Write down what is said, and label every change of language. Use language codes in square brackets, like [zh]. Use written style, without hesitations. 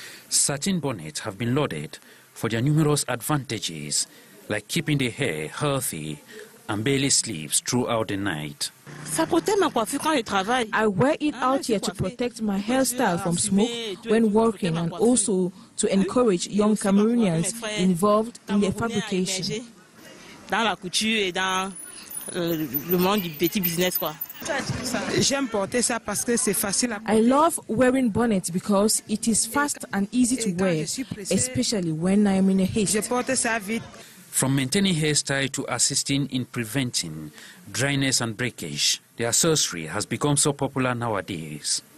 [en] Certain bonnets have been lauded for their numerous advantages, like keeping the hair healthy and barely sleeps throughout the night. I wear it out here to protect my hairstyle from smoke when working and also to encourage young Cameroonians involved in their fabrication. [fr] Dans la couture et dans le monde du petit business, quoi. [en] I love wearing bonnets because it is fast and easy to wear, especially when I am in a haste. From maintaining hairstyle to assisting in preventing dryness and breakage, the accessory has become so popular nowadays.